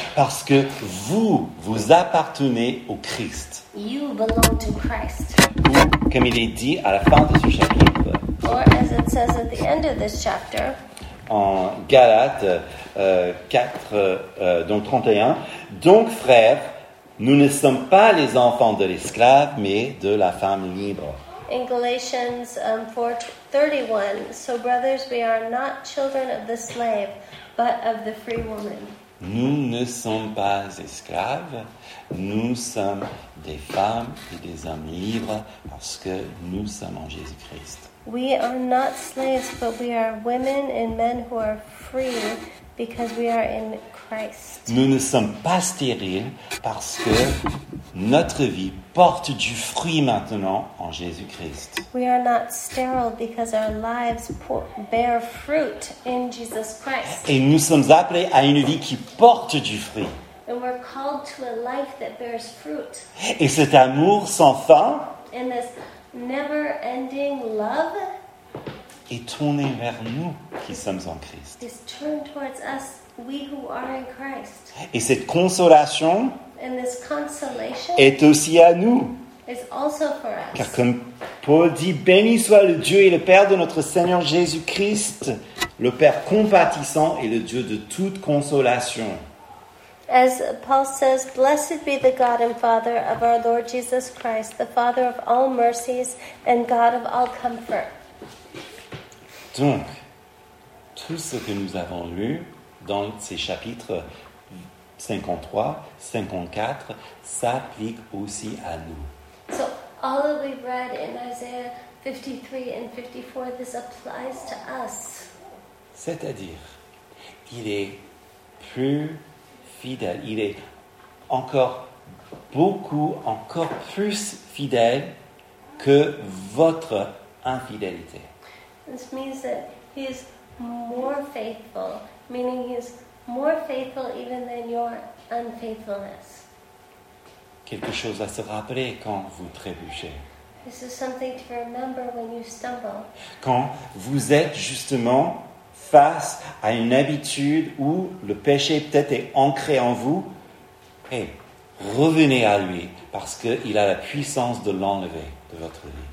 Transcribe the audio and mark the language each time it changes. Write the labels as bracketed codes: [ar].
[fr] Parce que vous appartenez au Christ. [en] You belong to Christ. [fr] Ou, comme il est dit à la fin de ce chapitre. [en] Or as it says at the end of this chapter. [fr] En Galates 4:31. Donc frères, nous ne sommes pas les enfants de l'esclave, mais de la femme libre. [en] In Galatians 4:31, so brothers, we are not children of the slave, but of the free woman. [fr] Nous ne sommes pas esclaves, nous sommes des femmes et des hommes libres parce que nous sommes en Jésus-Christ. [en] We are not slaves, but we are women and men who are free because we are in Christ. [fr] Nous ne sommes pas stériles parce que notre vie porte du fruit maintenant en Jésus-Christ. [en] We are not sterile because our lives bear fruit in Jesus Christ. [fr] Et nous sommes appelés à une vie qui porte du fruit. [en] And we're called to a life that bears fruit. [fr] Et cet amour sans fin. [en] And this never-ending love. [fr] Est tourné vers nous qui sommes en Christ. [en] Is turned towards us, we who are in Christ. [fr] Et cette consolation. [en] And this consolation [fr] est aussi à nous. [en] Is also for us. [fr] Car comme Paul dit, béni soit le Dieu et le Père de notre Seigneur Jésus-Christ, le Père compatissant et le Dieu de toute consolation. [en] As Paul says, blessed be the God and Father of our Lord Jesus Christ, the Father of all mercies and God of all comfort. [fr] Donc, tout ce que nous avons lu dans ces chapitres 53, 54, s'applique aussi à nous. [en] So, all that we've read in Isaiah 53 and 54, this applies to us. [fr] C'est-à-dire, il est plus fidèle, il est encore beaucoup, encore plus fidèle que votre infidélité. [en] This means that he is more faithful, meaning he is more faithful even than your unfaithfulness. [fr] Quelque chose à se rappeler quand vous trébuchez. [en] This is something to remember when you stumble. [fr] Quand vous êtes justement face à une habitude où le péché peut-être est ancré en vous, hey, revenez à lui parce qu'il a la puissance de l'enlever de votre vie.